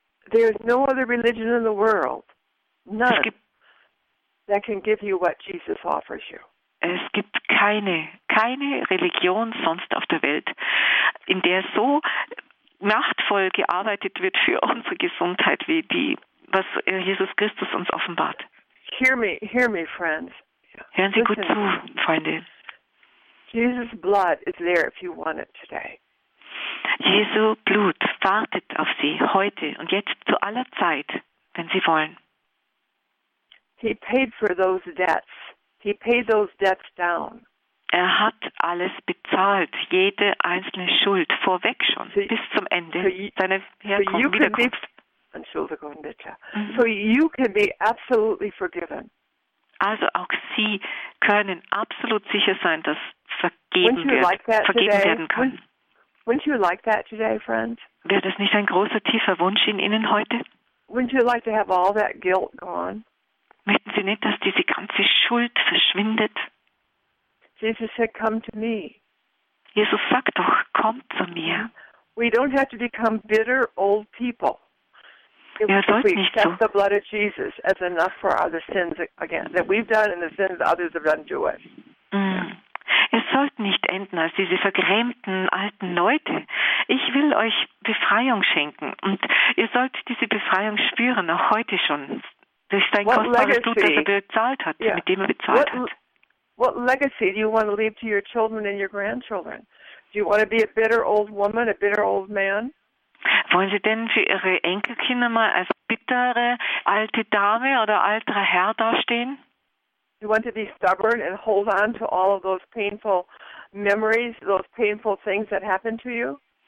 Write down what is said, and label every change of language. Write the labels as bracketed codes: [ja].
[en] There is no other religion in the world, none, that can give you what Jesus offers you. [de] Es gibt keine Religion sonst auf der Welt, in der so machtvoll gearbeitet wird für unsere Gesundheit wie die, was Jesus Christus uns offenbart. [en] Hear me, friends. [de] Hören Sie gut zu, Freunde. [en] Jesus' blood is there if you want it today. [de] Jesu Blut wartet auf Sie heute und jetzt zu aller Zeit, wenn Sie wollen. [en] He paid for those debts. He paid those debts down. [de] Er hat alles bezahlt, jede einzelne Schuld, vorweg schon, so, bis zum Ende, seine Wiederkunft. [en] So you can be absolutely forgiven. [de] Also auch Sie können absolut sicher sein, dass vergeben werden kann. [en] Wouldn't you like that today, friend? [de] Wäre das nicht ein großer, tiefer Wunsch in Ihnen heute? [en] Wouldn't you like to have all that guilt gone? [de] Möchten Sie nicht, dass diese ganze Schuld verschwindet? [en] Jesus said, come to me. [de] Jesus sagt doch, kommt zu mir. [en] We don't have to become bitter old people. [de] Es sollte nicht enden als diese vergrämten alten Leute. Ich will euch Befreiung schenken und ihr sollt diese Befreiung spüren, auch heute schon, durch sein kostbares Blut, das er bezahlt hat, mit dem er bezahlt hat. [en] What legacy do you want to leave to your children and your grandchildren? Do you want to be a bitter old woman, a bitter old man? [de] Wollen Sie denn für Ihre Enkelkinder mal als bittere alte Dame oder alter Herr dastehen? [en] Do you want to be stubborn and hold on to all of those painful memories, those painful things that happened to you?